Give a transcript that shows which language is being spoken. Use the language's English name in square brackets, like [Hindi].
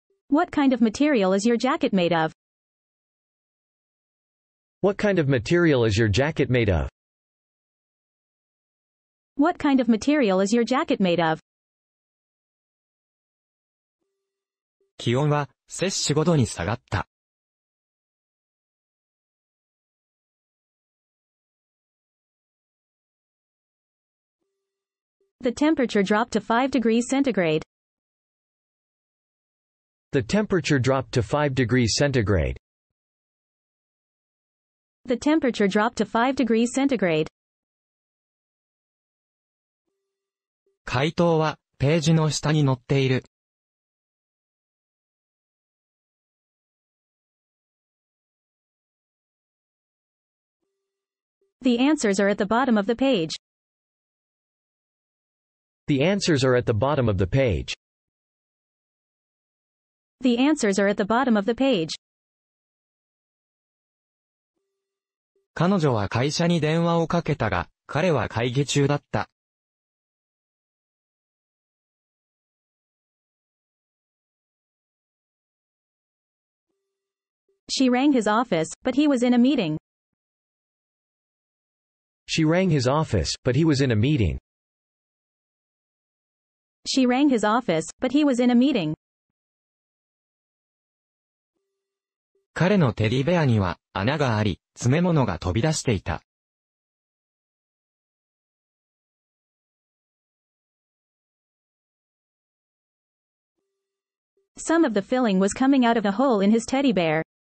[English] What kind of material is your jacket made of? What kind of material is your jacket made of? What kind of material is your jacket made of? [Japanese] 気温は摂氏5度に下がった。 [English] The temperature dropped to 5 degrees centigrade. The temperature dropped to 5 degrees centigrade. The temperature dropped to 5 degrees centigrade. [Japanese] 回答はページの下に載っている。 [English] The answers are at the bottom of the page. The answers are at the bottom of the page. The answers are at the bottom of the page. [Japanese] 彼女は会社に電話をかけたが、彼は会議中だった。 [English] She rang his office, but he was in a meeting. She rang his office, but he was in a meeting. She rang his office, but he was in a meeting. [Japanese] 彼のテディベアには穴があり、詰め物が飛び出していた。 [English] Some of the filling was coming out of a hole in his teddy bear.